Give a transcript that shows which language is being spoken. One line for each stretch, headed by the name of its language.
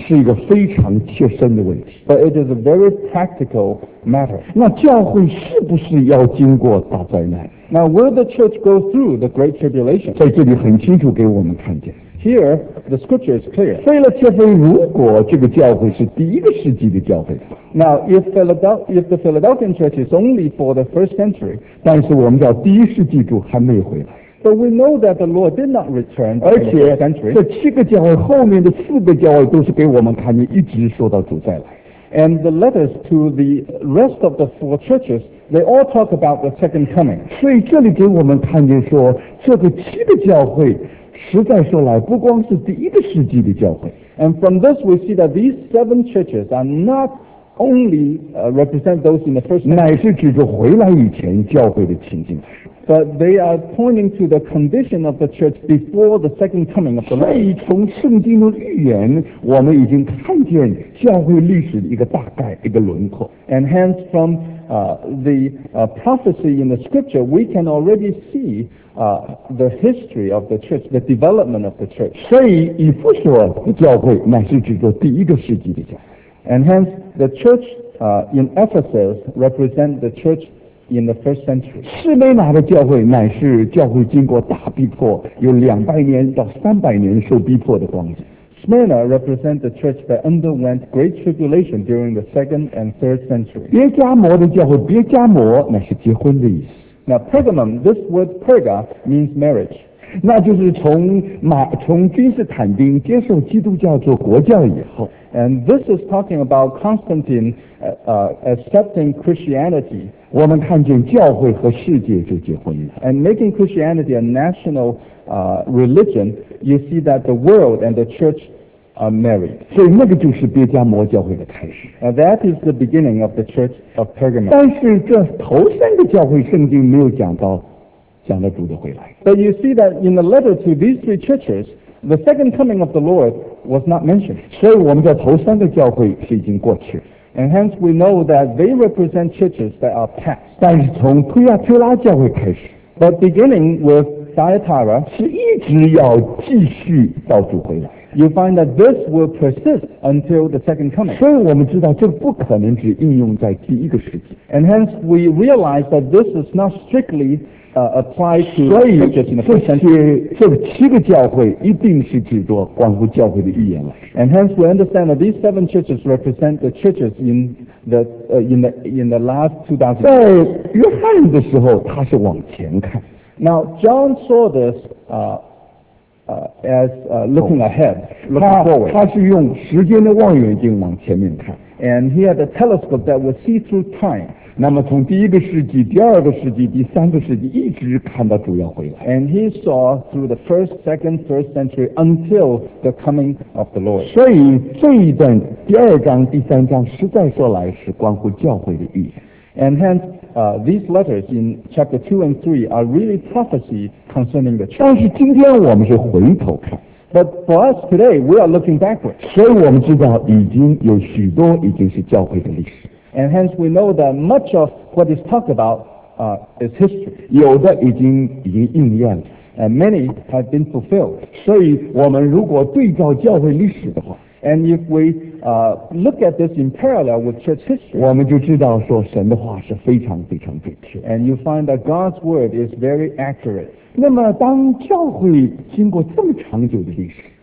Chinese: 是一个非常切身的问题。
English: But it is a very practical matter.
Chinese: 那教会是不是要经过大灾难？
English: Now will the church go through the Great Tribulation?
Chinese: 在这里很清楚给我们看见。
English: Here, the scripture is clear.
Chinese: 腓立比教会如果这个教会是第一个世纪的教会
English: Now, if the Philadelphian church is only for the first century,
Chinese: 但是我们叫第一世纪主还没回来。
English: But we know that the Lord did not return in the first century.
Chinese: 而且这七个教会后面的四个教会都是给我们看见一直说到主再来。
English: And the letters to the rest of the four churches, they all talk about the second coming.
Chinese: 所以这里给我们看见说这个七个教会实在说来，不光是第一个世纪的教会。
English: And from this we see that these seven churches are not only represent those in the first century.
Chinese: 乃是指着回来以前教会的情景。
English: But they are pointing to the condition of the church before the second coming of the Lord.
Chinese: 所以从圣经的预言，我们已经看见教会历史的一个大概，一个轮廓。
English: And hence from prophecy in the scripture, we can already see the history of the church, the development of the church.
Chinese: 所以以弗所的教会乃是指着第一个世纪的教会。
English: And hence the church in Ephesus represent the church in the first century.
Chinese: 士每拿的教会乃是教会经过大逼迫，有200年到300年受逼迫的光景。
English: Smyrna represents the church that underwent great tribulation during the second and third century.
Chinese: 别加摩的教会，别加摩乃是结婚的意思。
English: Now Pergamum, this word Perga means marriage.
Chinese: 那就是从君士坦丁接受基督教做国教以后。
English: And this is talking about Constantine accepting Christianity.
Chinese: 我们看见教会和世界就结婚了。
English: And making Christianity a national religion, you see that the world and the church are married.
Chinese: 所以那个就是别加摩教会的开始。
English: Now that is the beginning of the Church of Pergamum.
Chinese: 但是这头三个教会圣经没有讲到讲到主的回来。
English: But you see that in the letter to these three churches, the second coming of the Lord was not mentioned.
Chinese: 所以我们的头三个教会是已经过去。
English: And hence we know that they represent churches that are past.
Chinese: 但是从推亚推拉教会开始。
English: But beginning with Thyatira,
Chinese: 是一直要继续到主回来。
English: You find that this will persist until the second coming.
Chinese: 所以我们知道这不可能只应用在第一个世纪。
English: And hence we realize that this is not strictly apply to churches in the first century. And hence we understand that these seven churches represent the churches in the last 2000 years.
Chinese: 在约翰的时候他是往前看。
English: Now John saw this looking ahead, looking forward.
Chinese: 他是用时间的望远镜往前面看。
English: And he had a telescope that would see through time.
Chinese: 那么从第一个世纪、第二个世纪、第三个世纪一直看到主要回来。
English: And he saw through the first, second, third century until the coming of the Lord.
Chinese: 所以这一段第二章、第三章实在说来是关乎教会的预言。
English: And hence, these letters in chapter 2 and 3 are really prophecy concerning the church.
Chinese: 但是今天我们是回头看。
English: But for us today, we are looking backwards.
Chinese: 所以我们知道已经有许多已经是教会的历史。
English: And hence we know that much of what is talked about is history.
Chinese: 有的已经应验了。
English: And many have been fulfilled.
Chinese: 所以我们如果对照教会历史的话。
English: And if we look at this in parallel with church history,
Chinese: 我们就知道说神的话是非常非常准确。
English: And you find that God's word is very accurate.
Chinese: 那么当教会经过这么长久的历史，